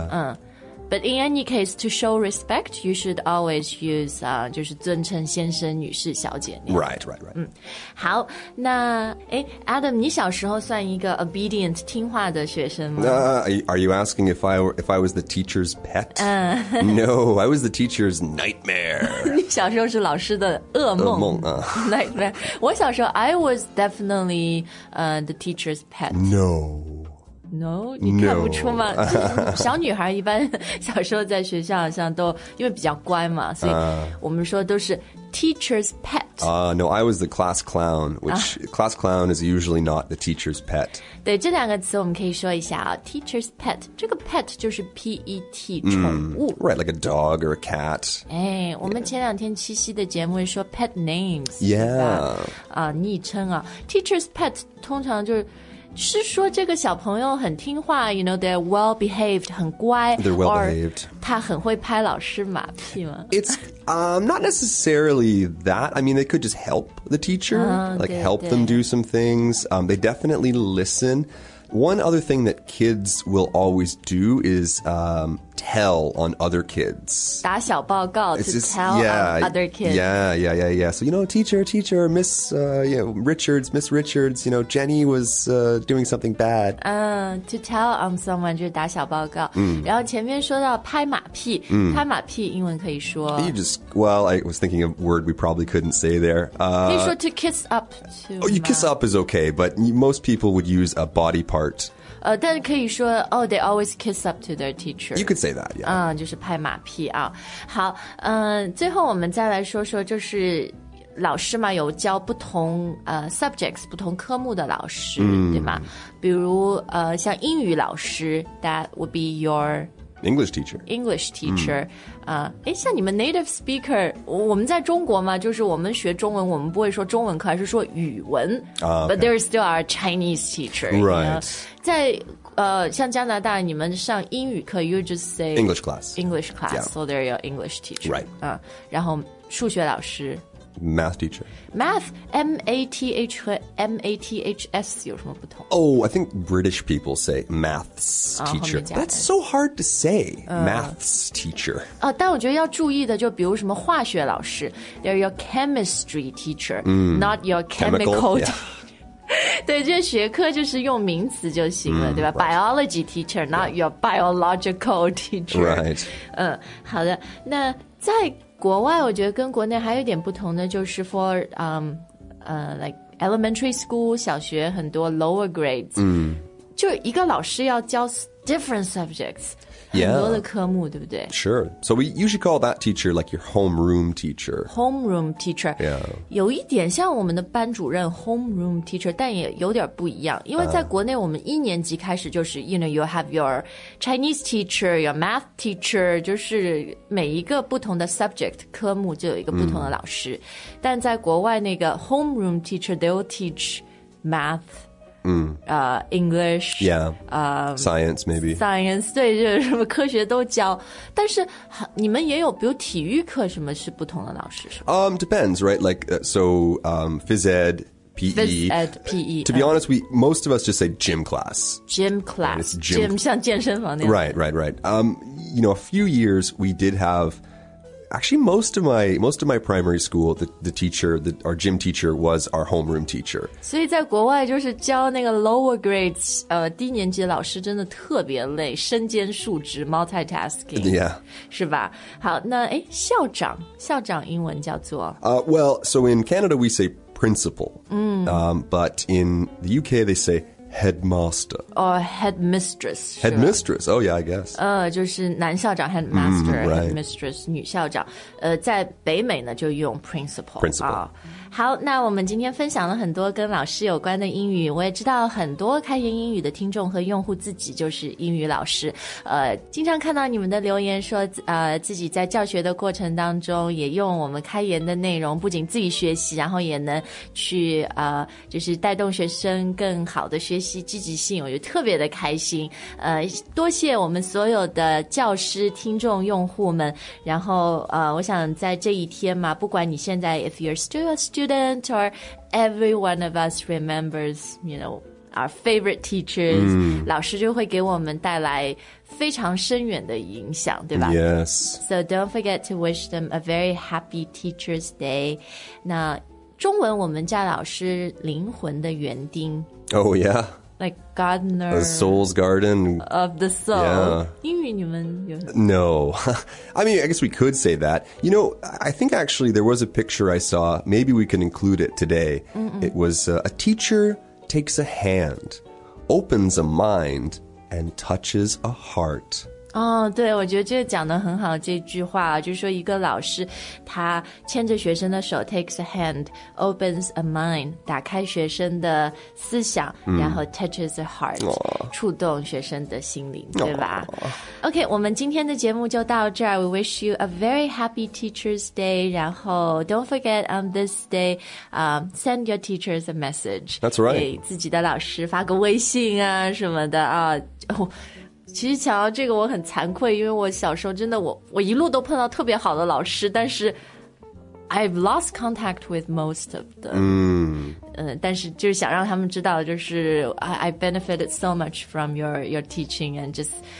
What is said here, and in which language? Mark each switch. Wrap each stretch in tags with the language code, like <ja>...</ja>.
<en>yeah. But in any case, to show respect, you should always use,</en> <zh>就是尊称先生、女士、小姐。</zh> <en>Right, right, right.、</en> <zh>好，那 Adam, 你小时候算一个 obedient, 听话的学生吗、</zh> <en>Are you asking if I was the teacher's pet? No, I was the teacher's nightmare.</en> <zh>你小时候是老师的噩梦。噩梦、</zh> <en>Nightmare.</en> <zh>我小时候</zh> <en>I was definitely, the teacher's pet. No. No,</en> <zh>你看不出吗、</zh> <en>no.</en> <zh>小女孩一般小时候在学校好像都因为比较乖嘛所以我们说都是 teacher's pet.</zh> <en>No, I was the class clown, which class clown is usually not the teacher's pet.</en> <zh>对这两个词我们可以说一下啊 teacher's pet. 这个 pet 就是 P-E-T, 宠物。</zh> <en>Right, like a dog or a cat.</en> <zh>我们前两天七夕的节目说 pet names.</zh> <en>Yeah.</en> <zh>昵称啊 teacher's pet 通常就是是说这个小朋友很听话</zh> <en>you know, they're well behaved,</en> <zh>很乖</zh> <en>they're well behaved.</en> <zh>他很会拍老师马屁吗</zh> <en>It's、not necessarily that. I mean, they could just help the teacher,、like help them do some things.、they definitely listen. One other thing that kids will always do is、tell on other kids.</en> <zh>打小报告</zh> <en>to just, tell yeah, on other kids. Yeah. So, you know, teacher, Miss, you know, Richards, Miss Richards, you know, Jenny was doing something bad. To tell on someone,</en> <zh>就是打小报告。然后前面说到拍马屁、拍马屁英文可以说。</zh> <en>You just, well, I was thinking a word we probably couldn't say there. Can you say to kiss up too? Oh, you kiss up is okay, but most people would use a body part.</en> <zh>但可以说</zh> <en>oh, they always kiss up to their teacher. You could say that, yeah.</en> <zh>就是拍马屁啊。好，最后我们再来说说，就是老师嘛，有教不同subjects, 不同科目的老师，对吗？比如像英语老师 ，</zh> <en>that would be your English teacher. English teacher.</en> <zh>像你们 native speaker, 我们在中国嘛，就是我们学中文，我们不会说中文课，而是说语文。</zh> <en>But there is still our Chinese teacher. Right. You know?</en> <zh>在像加拿大，你们上英语课 ，</zh> <en>you just say English class. English class.、Yeah. So they're your English teacher. Right.</en> <zh>然后数学老师。</zh> <en>Math teacher.</en> <zh>Math, M-A-T-H 和 M-A-T-H-S 有什么不同</zh> <en>Oh, I think British people say maths teacher. That's so hard to say, maths teacher.</en> <zh>但我觉得要注意的就比如什么化学老师</zh> <en>They're your chemistry teacher,、not your chemical teacher.、 Yeah.</en> <zh>对，这学科就是用名词就行了，对吧、</zh> <en>right. ？Biology teacher, not、yeah. your biological teacher. Right.</en> <zh>好的。那在国外，我觉得跟国内还有点不同的就是</zh> <en>for like elementary school</en> <zh>小学很多</zh> <en>lower grades，</en> <zh>就一个老师要教</zh> <en>different subjects，</en> <zh>很多的科目，对不对</zh> <en>？Sure. So we usually call that teacher like your homeroom teacher. Homeroom teacher. Yeah.</en> <zh>有一点像我们的班主任 homeroom teacher， 但也有点不一样。因为在国内，我们一年级开始就是</zh> <en>you know you have your Chinese teacher, your math teacher，</en> <zh>就是每一个不同的 subject 科目就有一个不同的老师。但在国外，那个</zh> <en>homeroom teacher they'll teach math. English, yeah, science maybe.</en> <zh>Science, 对，就是什么科学都教。但是你们也有，比如体育课，什么是不同的老师？</zh> <en>Depends, right? Like, so, phys ed, PE. Phys-ed, PE. To be honest, most of us just say gym class. Gym class. It's gym,</en> <zh>像健身房那样。</zh> <en>Right. You know, a few years we did have, actually most of my primary school, our gym teacher was our homeroom teacher.</en> <zh>所以在国外就是教那个 lower grades, 低年级老师真的特别累，身兼数职 ,multitasking.</zh> <en>Yeah.</en> <zh>是吧？好，那诶，校长，校长英文叫做？</zh> <en>Well, so in Canada we say principal, but in the UK they say headmaster. Or headmistress. Headmistress, oh yeah, I guess.</en> <zh>就是男校长 headmaster,headmistress, 女校长。在北美呢就用 principal.</zh> <en>Principal.</en> <zh>好，那我们今天分享了很多跟老师有关的英语，我也知道很多开言英语的听众和用户自己就是英语老师，经常看到你们的留言说，自己在教学的过程当中也用我们开言的内容，不仅自己学习，然后也能去就是带动学生更好的学习积极性，我就特别的开心，多谢我们所有的教师听众用户们，然后我想在这一天嘛，不管你现在</zh> <en>if you're still a student or every one of us remembers, you know, our favorite teachers,</en> <zh>老师就会给我们带来非常深远的影响，对吧？</zh> <en>Yes. So don't forget to wish them a very happy Teacher's Day.</en> <zh>那中文我们叫老师灵魂的园丁。</zh> <en>Oh, yeah. Like gardener. The soul's garden. Of the soul. Yeah.</en> <zh>英语你们有？</zh> <en>No. I mean, I guess we could say that. You know, I think actually there was a picture I saw. Maybe we can include it today. Mm-mm. It was a teacher takes a hand, opens a mind, and touches a heart.</en> <zh>对，我觉得这个讲得很好，这句话就是说一个老师他牵着学生的手</zh> <en>takes a hand, opens a mind,</en> <zh>打开学生的思想，然后</zh> <en>touches a heart,</en> <zh>触动学生的心灵，对吧？ OK, 我们今天的节目就到这儿。</zh> <en>We wish you a very happy Teacher's Day,</en> <zh>然后</zh> <en>don't forget on this day, send your teachers a message. That's right.</en> <zh>给自己的老师发个微信啊什么的啊。其实讲到这个我很惭愧，因为我小时候真的我一路都碰到特别好的老师，但是</zh> <en>I've lost contact with most of them.</en> <zh>但是就是想让他们知道，就是</zh> <en>I benefited so much from your teaching and just...</en>